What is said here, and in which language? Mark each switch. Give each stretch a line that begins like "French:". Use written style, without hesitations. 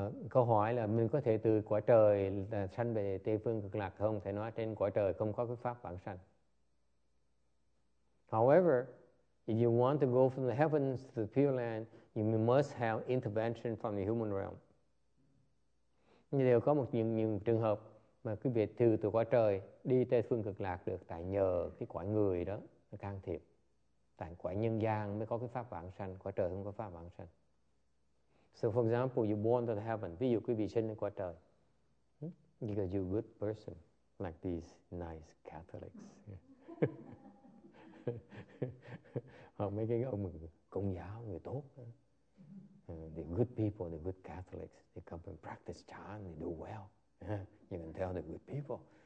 Vietnamese: Câu hỏi là mình có thể từ cõi trời sanh về Tây phương cực lạc không? Thầy nói trên cõi trời không có cái pháp vãng sanh.
English: However, if you want to go from the heavens to the Pure Land, you must have intervention from the human realm.
Vietnamese: Nhưng đều có một những trường hợp mà cái việc từ cõi trời đi Tây phương cực lạc được tại nhờ cái cõi người đó nó can thiệp. Tại cõi nhân gian mới có cái pháp vãng sanh, cõi trời không có pháp vãng sanh.
English: So for example, you're born to the heaven.
Vietnamese: Ví dụ quý vị sinh lên cõi trời.
English: Because you're a good person, like these nice Catholics.
Vietnamese: Hoặc mấy cái ông công giáo, người tốt.
English: They're good people, they're good Catholics. They come and practice chan, they do well. You can tell they're good people.